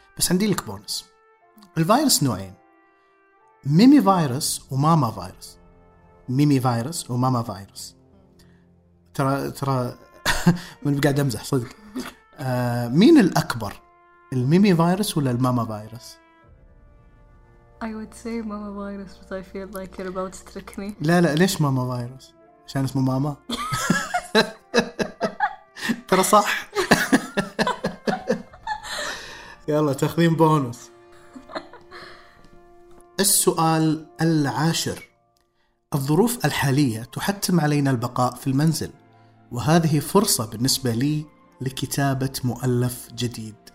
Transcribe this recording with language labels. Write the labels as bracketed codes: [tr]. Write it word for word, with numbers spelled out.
[ar] بس عندي لك بونس، الفيروس نوعين، ميمي فيروس وماما فيروس. ميمي فيروس وماما فيروس، ترى ترى من قاعد أمزح صدق. مين الأكبر، الميمي فيروس ولا الماما فيروس؟ [en] I would say mama virus, but I feel like you're about to trick me. [ar] لا لا ليش ماما فيروس؟ عشان اسمه ماما. ترى صح. يلا تاخذين بونص. السؤال العاشر، الظروف الحالية تحتم علينا البقاء في المنزل، وهذه فرصة بالنسبة لي لكتابة مؤلف جديد.